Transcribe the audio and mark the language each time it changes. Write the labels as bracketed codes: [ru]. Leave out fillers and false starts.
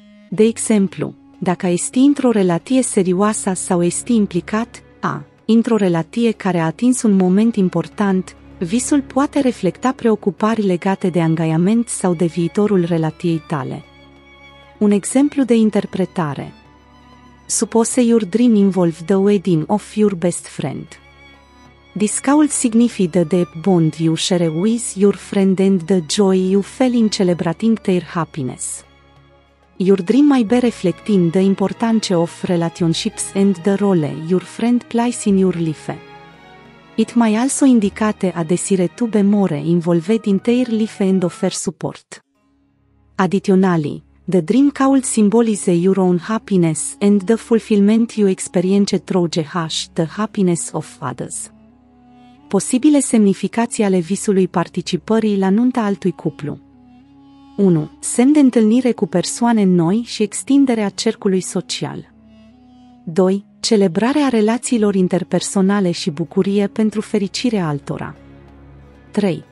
[ro] De exemplu, dacă ești într-o relație serioasă sau ești implicat, într-o relație care a atins un moment important, visul poate reflecta preocupări legate de angajament sau de viitorul relației tale. Un exemplu de interpretare. [en] Suppose your dream involved the wedding of your best friend. Discount [ro] significă [en] the bond you share with your friend and the joy you feel in celebrating their happiness. Your dream might be reflecting the importance of relationships and the role your friend plays in your life. It might also indicate a desire to be more involved in their life and offer support. Additionally, the dream could symbolize your own happiness and the fulfillment you experience through the happiness of others. [ro] Posibile semnificații ale visului participării la nunta altui cuplu. 1. Semn de întâlnire cu persoane noi și extinderea cercului social. 2. Celebrarea relațiilor interpersonale și bucurie pentru fericirea altora. 3.